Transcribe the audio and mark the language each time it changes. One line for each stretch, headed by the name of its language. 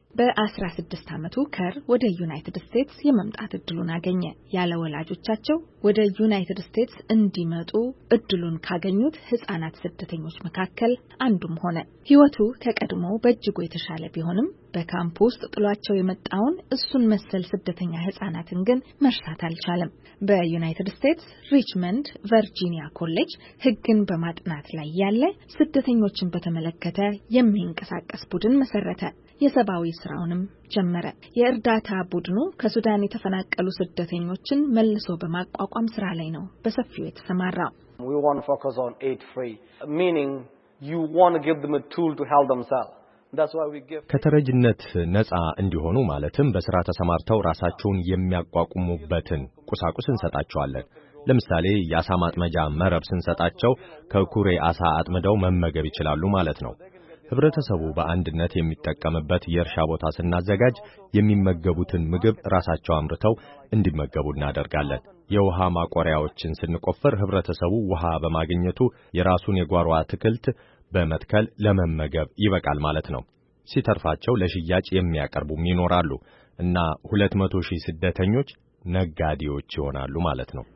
Amharic: በ16 ዓመቱ ከር ወደ ዩናይትድ ስቴትስ የመምጣት እድሉን አገኘ። ያለ ወላጆቻቸው ወደ ዩናይትድ ስቴትስ እንዲመጡ እድሉን ካገኙት ህፃናት ስደተኞች መካከል አንዱም ሆነ። ህይወቱ ከቀድሞው በእጅጉ የተሻለ ቢሆንም በካምፕ ውስጥ ጥሏቸው የመጣውን እሱን መሰል ስደተኛ ህፃናትን ግን መርሳት አልቻለም። በዩናይትድ ስቴትስ ሪችመንድ ቨርጂኒያ ኮሌጅ ህግን በማጥናት ላይ ያለ ስደተኞችን በተመለከተ የሚንቀሳቀስ ቡድን መሰረተ። የሰባዊ ስራውንም ጀመረ። የእርዳታ ቡድኑ ከሱዳን የተፈናቀሉ ስደተኞችን መልሶ በማቋቋም ስራ ላይ ነው በሰፊው የተሰማራው።
English: We want to focus on aid free, meaning you want to give them a tool to help themselves. That's why we give
Amharic: ከተረጅነት ነፃ እንዲሆኑ ማለትም በስራ ተሰማርተው ራሳቸውን የሚያቋቁሙበትን ቁሳቁስ እንሰጣቸዋለን። ለምሳሌ የአሳ ማጥመጃ መረብ እንሰጣቸው ከኩሬ አሳ አጥመደው መመገብ ይችላሉ ማለት ነው። ህብረተሰቡ በአንድነት የሚጠቀምበት የርሻ ቦታ ስናዘጋጅ የሚመገቡትን ምግብ ራሳቸው አምርተው እንዲመገቡ እናደርጋለን። የውሃ ማቆሪያዎችን ስንቆፍር ህብረተሰቡ ውሃ በማግኘቱ የራሱን የጓሮ አትክልት በመትከል ለመመገብ ይበቃል ማለት ነው። ሲተርፋቸው ለሽያጭ የሚያቀርቡም ይኖራሉ እና 200,000 ስደተኞች ነጋዴዎች ይሆናሉ ማለት ነው።